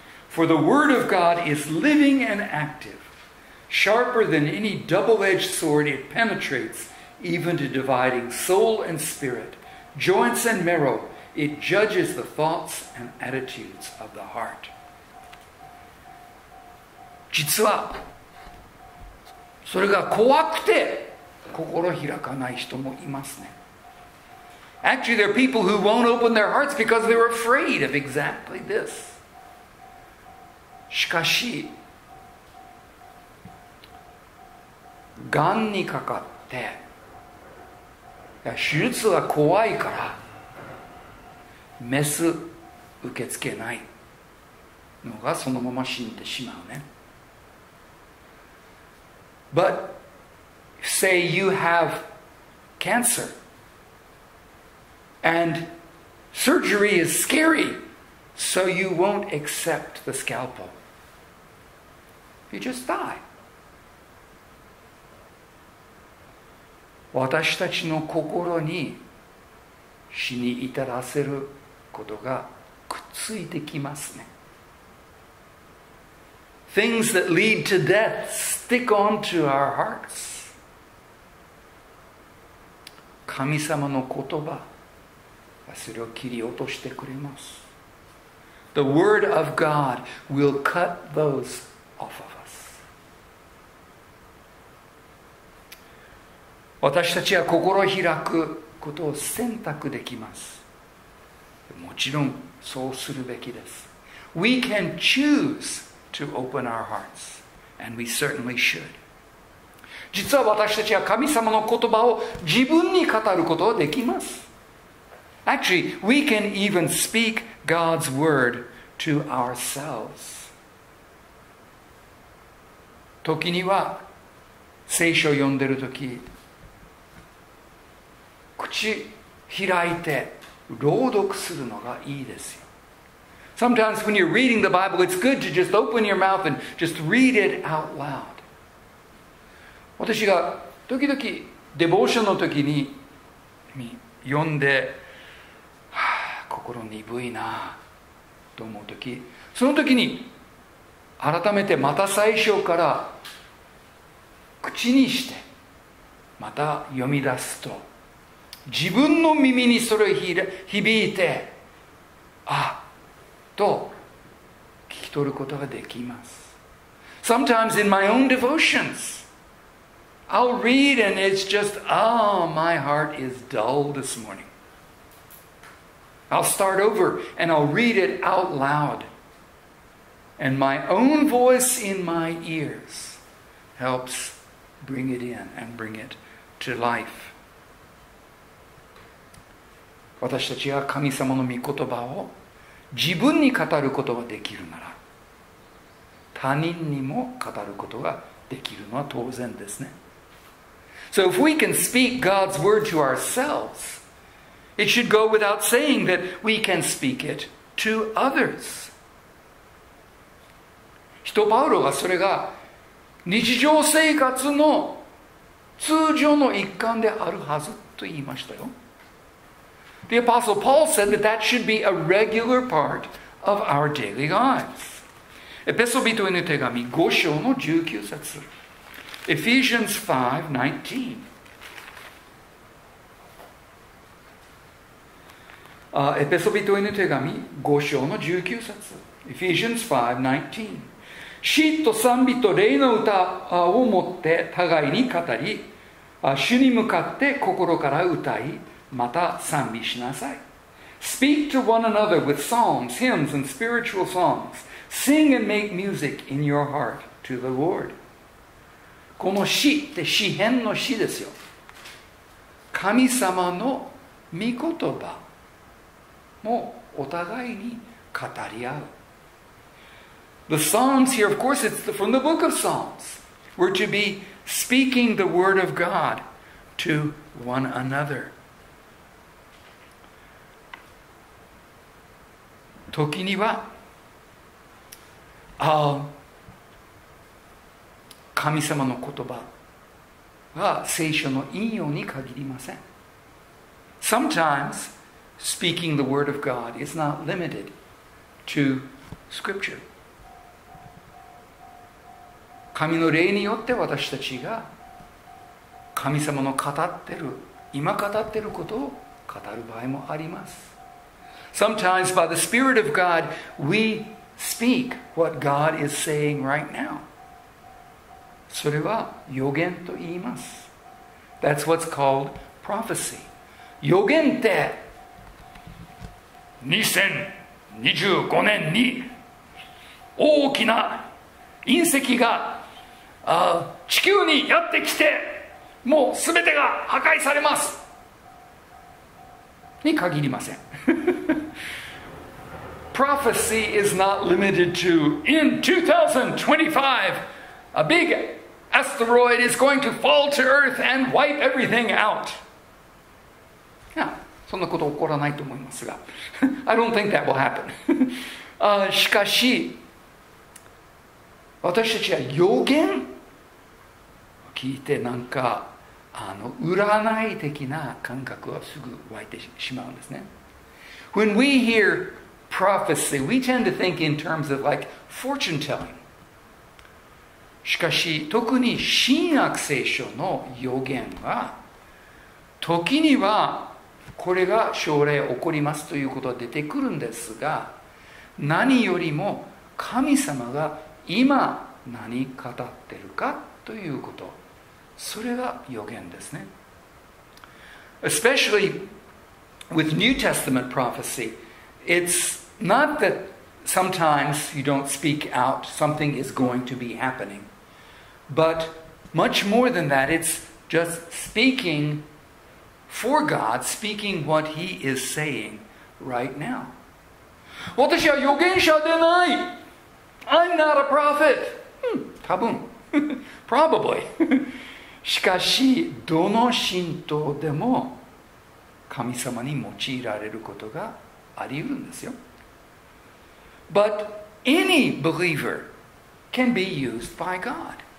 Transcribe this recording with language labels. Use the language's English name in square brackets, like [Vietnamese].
[English] For the word of God is living and active, sharper than any double-edged sword. It penetrates even to dividing soul and spirit, joints and marrow. It judges the thoughts and attitudes of the heart. [Japanese] 実はそれが怖くて心開かない人もいますね。 [English] Actually, there are people who won't open their hearts because they're afraid of exactly this. [Japanese] しかし、がんにかかって、いや、手術は怖いから、メス受け付けないのがそのまま死んでしまうね。 [English] But say you have cancer and surgery is scary, so you won't accept the scalpel. You just die. [Japanese] 私たちの心に死に至らせることがくっついてきますね。 [English] Things that lead to death stick onto our hearts. [Japanese] 神様の言葉はそれを切り落としてくれます。 [English] The word of God will cut those off of us. [Japanese] 私たちは心を開くことを選択できます。もちろんそうするべきです。 [English] We can choose to open our hearts, and we certainly should. [Japanese] 実は私たちは神様の言葉を自分に語ることはできます。 [English] Actually, we can even speak God's word to ourselves. [Japanese] 時には聖書を読んでいるとき、口開いて朗読するのがいいですよ。 [English] Sometimes when you're reading the Bible, it's good to just open your mouth and just read it out loud. [Japanese] 私が時々デボーションの時に読んで、心鈍いなと思う時、その時に改めてまた最初から口にしてまた読み出すと、自分の耳にそれ響いて、と聞き取ることができます。 [English] Sometimes in my own devotions, I'll read and it's just, oh, my heart is dull this morning. I'll start over and I'll read it out loud. And my own voice in my ears helps bring it in and bring it to life. [Japanese] 私たちが神様の御言葉を自分に語ることができるなら、他人にも語ることができるのは当然ですね。 [English] So if we can speak God's word to ourselves, it should go without saying that we can speak it to others. [Japanese] 使徒パウロがそれが日常生活の通常の一環であるはずと言いましたよ。 [English] The Apostle Paul said that that should be a regular part of our daily lives. [Japanese] エペソ人への手紙5章の19節。 [English] Ephesians 5, 19. [Japanese] エペソ人への手紙5章の19節。 [English] Ephesians 5, 19. [Japanese] 詩と賛美と霊の歌を持って互いに語り、主に向かって心から歌い、また賛美しなさい。 [English] Speak to one another with psalms, hymns, and spiritual songs. Sing and make music in your heart to the Lord. [Japanese] この詩って詩編の詩ですよ。神様の御言葉もお互いに語り合う。 [English] The psalms here, of course, it's from the book of Psalms. We're to be speaking the word of God to one another. [Japanese] 時には神様の言葉は聖書の引用に限りません。 [English] Sometimes speaking the word of God is not limited to scripture. [Japanese] 神の霊によって私たちが神様の語ってる、今語ってることを語る場合もあります。 [English] Sometimes by the Spirit of God, we speak what God is saying right now. [Japanese] それは予言と言います。 [English] That's what's called prophecy. [Japanese] 予言って 2025年に大きな隕石が地球にやってきて、もう全てが破壊されますに限りません。 [English] Prophecy is not limited to in 2025, a big asteroid is going to fall to earth and wipe everything out. Yeah, [Japanese] そんなこと起こらないと思いますが、 [English] I don't think that will happen. [Japanese] しかし、私たちは予言を聞いて、なんか占い的な感覚はすぐ湧いてしまうんですね。 [English] When we hear prophecy, we tend to think in terms of like fortune telling. [Japanese] しかし、特に新約聖書の予言は、時にはこれが将来起こりますということは出てくるんですが、何よりも神様が今何語ってるかということ、それが予言ですね。 [English] Especially with New Testament prophecy, it's not that sometimes you don't speak out something is going to be happening, but much more than that, it's just speaking for God, speaking what He is saying right now. [Japanese] 私は預言者でない。 [English] I'm not a prophet. [Japanese] 多分。 [English] Probably. [Japanese] しかし、どの信徒でも神様に用いられることがあり得るんですよ。 [English] But any believer can be used by God.